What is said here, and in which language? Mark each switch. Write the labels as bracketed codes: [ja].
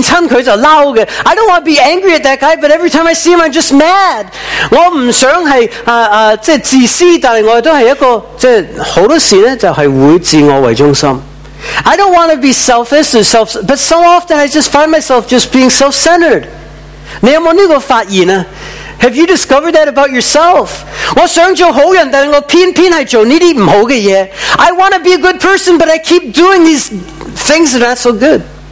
[en] I don't want to be angry at that guy, but every time I see him, I'm just mad. [zh] 我不想是自私,但我都是一個,很多時候就是會自我為中心. [en] I don't want to be selfish, or self, but so often I just find myself just being self-centered. [zh] 你有没有这个发现呢? [en] Have you discovered that about yourself? [zh] 我想做好人,但我偏偏是做这些不好的事. [en] I want to be a good person, but I keep doing these things that aren't so good.